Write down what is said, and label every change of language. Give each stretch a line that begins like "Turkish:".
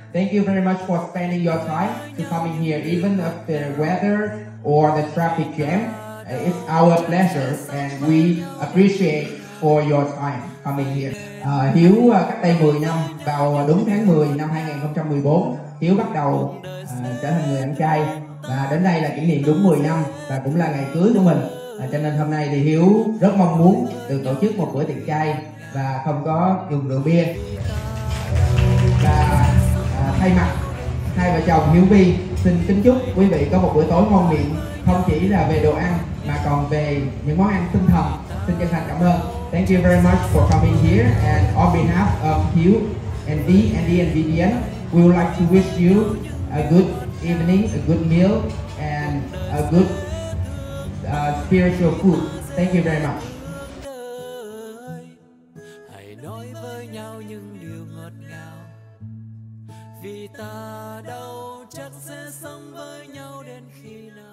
English: Thank you very much for spending your time to coming here, even if the weather or the traffic jam. It's our pleasure and we appreciate for your time coming here.
Vietnamese: Hiếu cách đây 10 năm, vào đúng tháng 10 năm 2014, Hiếu bắt đầu trở thành người anh trai. Và đến đây là kỷ niệm đúng 10 năm và cũng là ngày cưới của mình. Cho nên hôm nay thì Hiếu rất mong muốn được tổ chức một bữa tiệc trai và không có dùng rượu bia. Và thay mặt hai vợ chồng Hiếu Vi xin kính chúc quý vị có một buổi tối ngon miệng, không chỉ là về đồ ăn mà còn về những món ăn tinh thần. Xin chân thành cảm ơn.
English: Thank you very much for coming here, and on behalf of Hiếu and Vi, Andy and Vivian, we would like to wish you a good evening, a good meal and a good spiritual food. Thank you very much.
Vietnamese: Hãy nói với nhau những điều ngọt ngào, vì ta đâu chắc sẽ sống với nhau đến khi nào.